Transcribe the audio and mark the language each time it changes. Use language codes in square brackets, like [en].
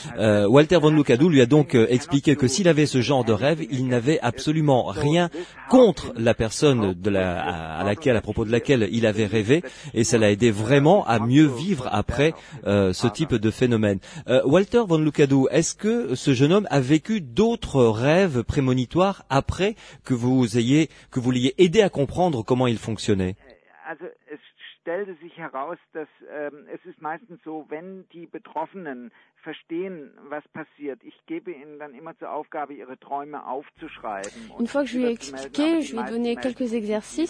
[fr] Walter von Lucadou lui a donc expliqué que s'il avait ce genre de rêve, il n'avait absolument rien contre la personne à propos de laquelle il avait rêvé, et ça l'a aidé vraiment à mieux vivre après ce type de phénomène. Walter von Lucadou, est-ce que ce jeune homme a vécu d'autres rêves prémonitoires après que vous l'ayez aidé à comprendre comment il fonctionnait? [de] stellte sich heraus, dass es ist meistens so, wenn die Betroffenen verstehen, was passiert. Ich gebe ihnen dann immer zur Aufgabe, ihre Träume aufzuschreiben. [fr] Une fois que je lui ai expliqué, je lui ai donné quelques exercices,